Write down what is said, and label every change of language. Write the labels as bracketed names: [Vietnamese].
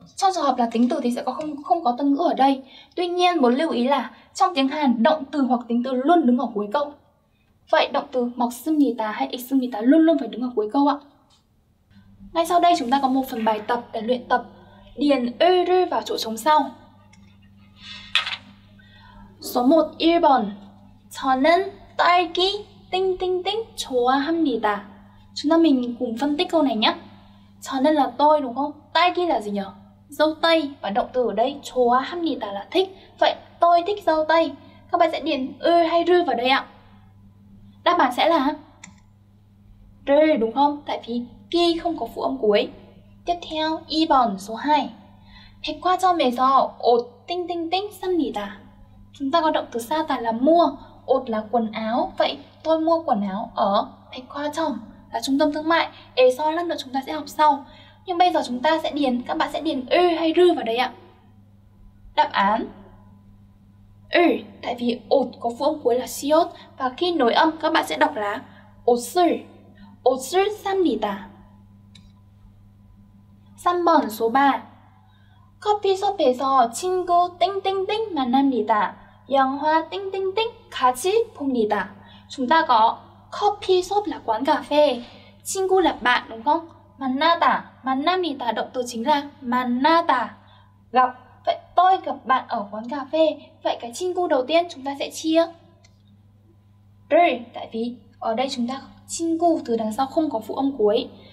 [Vietnamese] Trong trường hợp là tính từ thì sẽ có không có tân ngữ ở đây. Tuy nhiên muốn lưu ý là trong tiếng Hàn động từ hoặc tính từ luôn đứng ở cuối câu. Vậy động từ 먹습니다 hay 읽습니다 luôn luôn phải đứng ở cuối câu ạ. Ngay sau đây chúng ta có một phần bài tập để luyện tập điền 을을 vào chỗ trống sau. Số 1, 1번. [Korean] 저는 딸기 띵띵띵 좋아합니다. [Vietnamese] Chúng ta mình cùng phân tích câu này nhé. 저는 là tôi đúng không? 딸기 là gì nhỉ? Dâu tây. Và động từ ở đây 좋아합니다 là thích. Vậy tôi thích dâu tây. Các bạn sẽ điền 을 hay 를 vào đây ạ. Đáp án sẽ là r đúng không? Tại vì ki không có phụ âm cuối. Tiếp theo, 2번 số 2. [Korean] 백화점에서 옷 띵띵띵 삽니다. [Vietnamese] Chúng ta có động từ 사다 là mua, 옷 là quần áo. Vậy tôi mua quần áo ở 백화점 là trung tâm thương mại. 에서 lần nữa chúng ta sẽ học sau. Nhưng bây giờ chúng ta sẽ điền, các bạn sẽ điền 을 hay 를 vào đây ạ. Đáp án 을, tại vì 옷 có phụ âm cuối là 시옷 và khi nối âm các bạn sẽ đọc là 옷을, 옷을 삽니다. 3번 số 3. [Korean] 커피숍에서 친구 띵띵띵 만납니다. 영화 띵띵띵 같이 봅니다. [Vietnamese] Chúng ta có 커피숍 là quán cà phê, 친구 là bạn đúng không? 만나다, 만납니다 động từ chính là 만나다, gặp. Vậy tôi gặp bạn ở quán cà phê. Vậy cái 친구 đầu tiên chúng ta sẽ chia 를, tại vì ở đây chúng ta 친구 từ đằng sau không có phụ âm cuối.